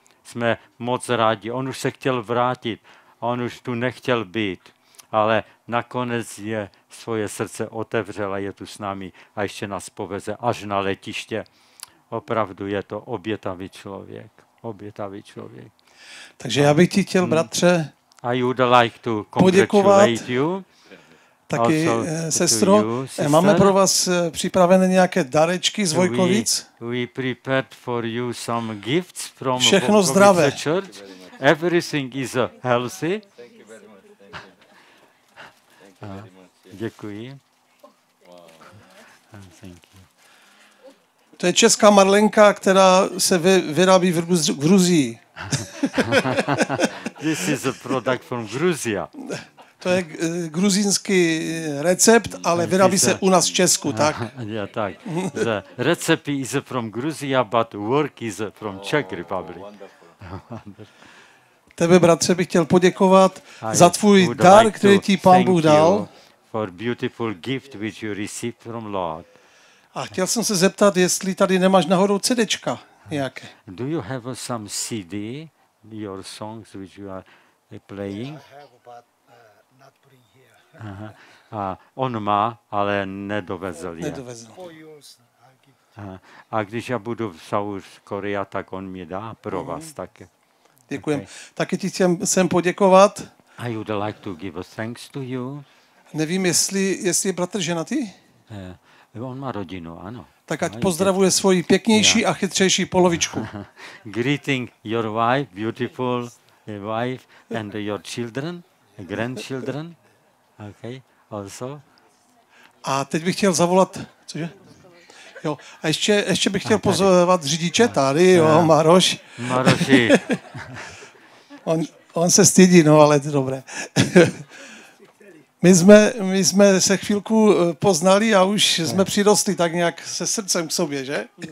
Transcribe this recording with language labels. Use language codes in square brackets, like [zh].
[cs] Jsme moc rádi, on už se chtěl vrátit, on už tu nechtěl být, ale nakonec je svoje srdce otevřelo, je tu s námi a ještě nás poveze až na letiště. Opravdu je to obětavý člověk. Obětavý člověk. Takže já bych ti chtěl, bratře, [en] like to [cs] poděkovat taky, sestro. Máme pro vás připravené nějaké darečky z Vojkovic. [en] We prepared for you some gifts from [cs] všechno zdravé. [en] Everything is healthy. [cs] Děkuji. To je česká marlenka, která se vyrábí v Gruzii. [en] This is a product from Gruzia. [cs] To je gruzínský recept, ale vyrábí se u nás v Česku, tak? [en] Yeah, [cs] tak. [en] The recipe is from Gruzia, but work is from Czech Republic. [cs] Tebe, bratře, bych chtěl poděkovat za tvůj dar, [en] like [cs] který ti Pán Bůh dal. [en] For beautiful gift which you received from Lord. [cs] A chtěl jsem se zeptat, jestli tady nemáš nahoru CDčka nějaké. [en] Do you have some CD, your songs which you are playing? Yeah, I have, but not bring here. [cs] Aha. On má, ale nedovezl je. Nedovezl. A když já budu v South Korea, tak on mi dá pro vás také. Děkujem. Okay. Taky ti chcem poděkovat. [en] I would like to give a thanks to you. [cs] Nevím, jestli je bratr ženatý? On má rodinu, ano. Tak ať pozdravuje svoji pěknější a chytřejší polovičku. [en] Greeting your wife, beautiful wife, and your children, grandchildren, okay, also. [cs] A teď bych chtěl zavolat, cože? Jo, a ještě bych chtěl pozvat řidiče tady, jo, Maroš. Maroši. On se stydí, no, ale to dobré. My jsme se chvilku poznali a už jsme přirostli tak nějak se srdcem k sobě, že?